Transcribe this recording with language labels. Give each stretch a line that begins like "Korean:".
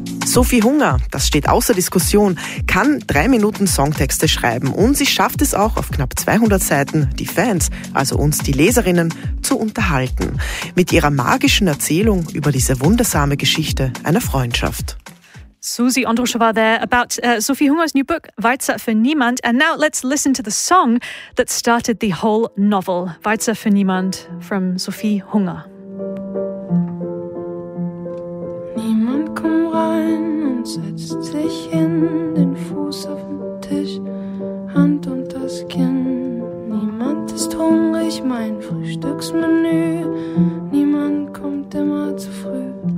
German: Sophie Hunger, das steht außer Diskussion, kann 3 Minuten Songtexte schreiben und sie schafft es auch auf knapp 200 Seiten, die Fans, also uns die Leserinnen, zu unterhalten. Mit ihrer magischen Erzählung über diese wundersame Geschichte einer Freundschaft.
English: Susi Androschowa there about Sophie Hunger's new book, Weizer für Niemand. And now let's listen to the song that started the whole novel, Weizer für Niemand from Sophie Hunger.
German: Niemand kommt rein und setzt sich hin, den Fuß auf den Tisch, Hand und das Kinn. Niemand ist hungrig, mein Frühstücksmenü. Niemand kommt immer zu früh.